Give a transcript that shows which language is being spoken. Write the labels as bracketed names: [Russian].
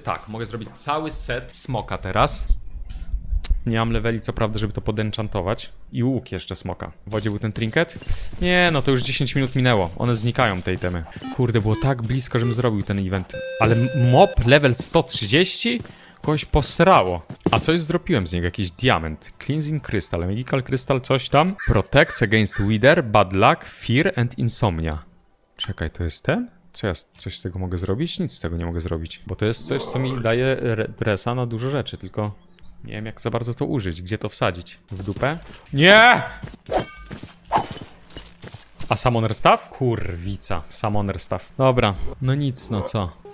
[Polish] Tak, mogę zrobić cały set smoka teraz. Nie mam leveli, co prawda, żeby to podenchantować. I łuk jeszcze smoka. W wodzie był ten trinket? Nie, no to już 10 minut minęło. One znikają, te itemy. Kurde, było tak blisko, żebym zrobił ten event. Ale mob level 130? Kogoś posrało. A coś zdropiłem z niego, jakiś diament. Cleansing crystal, magical crystal, coś tam. [English] Protects against wither, bad luck, fear and insomnia. [Polish] Czekaj, to jest ten? Co ja coś z tego mogę zrobić? Nic z tego nie mogę zrobić. Bo to jest coś, co mi daje dresa na dużo rzeczy, tylko... Nie wiem, jak za bardzo to użyć. Gdzie to wsadzić? W dupę? Nie! A summoner staff? Kurwica. Summoner staff. Dobra. No nic, no co?